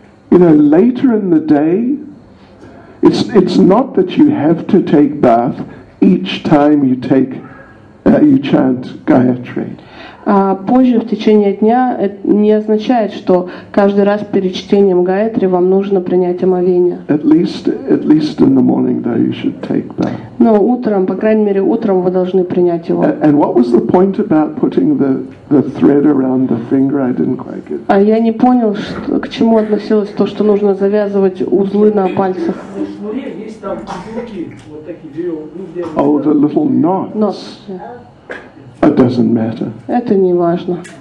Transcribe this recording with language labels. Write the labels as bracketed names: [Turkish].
[English] You know, later in the day, it's not that you have to take bath each time you take, you chant Gayatri. [Russian] Позже, в течение дня, это не означает, что каждый раз перед чтением Гаятри вам нужно принять омовение. [English] At least in the morning, though, you should take that. [Russian] Но утром, по крайней мере, утром вы должны принять его. [English] And what was the point about putting the thread around the finger? I didn't quite get it. [Russian] А я не понял, что, к чему относилось то, что нужно завязывать узлы на пальцах. В шнуре есть там узлы, вот такие, [English] Oh, the little knots. Knots, yeah. It doesn't matter. [Russian] Это не важно.